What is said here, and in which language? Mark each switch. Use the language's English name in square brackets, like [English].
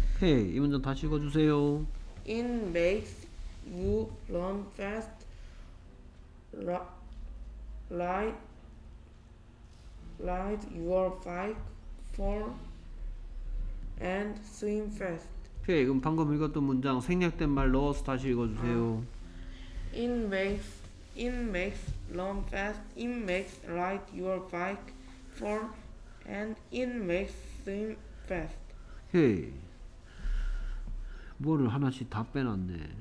[Korean] Hey, 이 문장 다시 읽어주세요. [English] It makes you run fast, ride your bike far, and swim fast. [Korean] Okay, 그럼 방금 읽었던 문장 생략된 말 넣어서 다시 읽어주세요. [English] It makes run fast. It makes ride your bike far, And it makes them fast. [Korean] Hey. 뭐를 하나씩 다 빼놨네.